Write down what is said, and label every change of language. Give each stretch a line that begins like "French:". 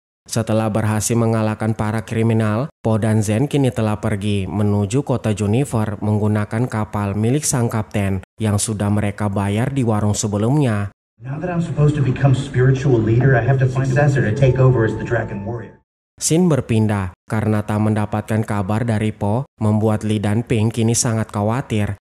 Indonesian: Setelah berhasil mengalahkan para kriminal, Po dan Zen kini telah pergi menuju kota Jennifer menggunakan kapal milik sang kapten yang sudah mereka bayar di warung sebelumnya.
English: Now that I'm supposed to become spiritual leader, I have to find a successor to take over as the Dragon Warrior.
Indonesian: Scene berpindah karena tak mendapatkan kabar dari Po, membuat Lee dan Ping kini sangat khawatir.